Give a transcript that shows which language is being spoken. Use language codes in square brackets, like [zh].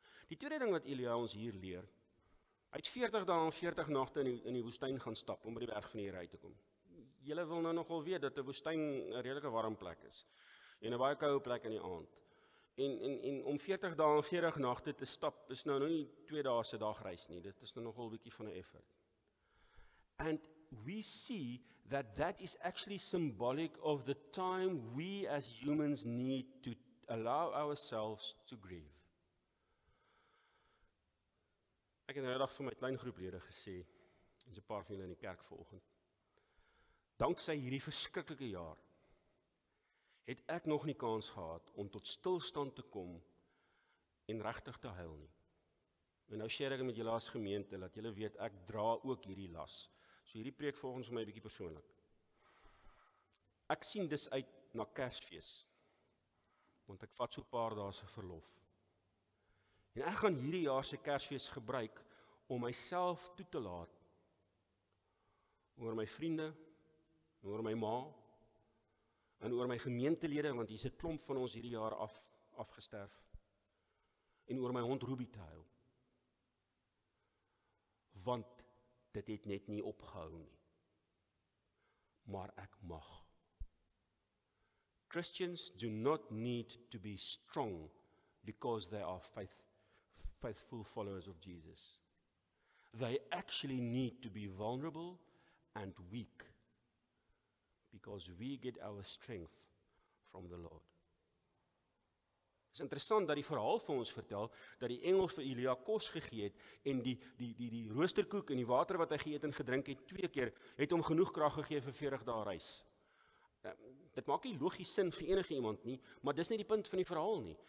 [af] Die tweede ding wat Elia ons hier leer, hy het 40 dae en 40 nagte in die woestyn gaan stap om by die berg van die Here uit te kom. Julle wil nou nogal weet dat 'n woestyn 'n redelike warm plek is en 'n baie koue plek in die aand. En om 40 dae en 40 nagte te stap is nou nie 2 dae se dagreis nie. Dit is nou nogal 'n bietjie van 'n effort. [en] And we see that that is actually symbolic of the time we as humans need to allow ourselves to grieve. [af] Ek het nou eendag vir my klein groeplede gesê, en 'n paar van julle in die kerk vanoggend, danksy hierdie verskriklike jaar het ek nog nie kans gehad om tot stilstand te kom en regtig te huil nie. En nou share ek met julle as gemeente dat julle weet ek dra ook hierdie las. So hierdie preek volgens my 'n bietjie persoonlik. Ek sien dus uit na Kersfees. Want ek vat so 'n paar dae se verlof. En ek gaan hierdie jaar se Kersfees gebruik om myself toe te laat oor my vriende, oor my ma en oor my gemeentelede, want hier's 'n klomp van ons hierdie jaar afgesterf, en oor my hond Ruby te huil, want dit het net nie opgehou nie, maar ek mag. [en] Christians do not need to be strong because they are faithful followers of Jesus. They actually need to be vulnerable and weak because we get our strength from the Lord. [af] Het is interessant dat die verhaal vir ons vertel, dat die engel vir Elia kos gegee het, en die roosterkoek en die water wat hy geëet en gedrink het, 2 keer, het hom genoeg krag gegee vir 40 dae reis. Dit maak nie logies sin vir enige iemand nie, maar dis nie die punt van die verhaal nie.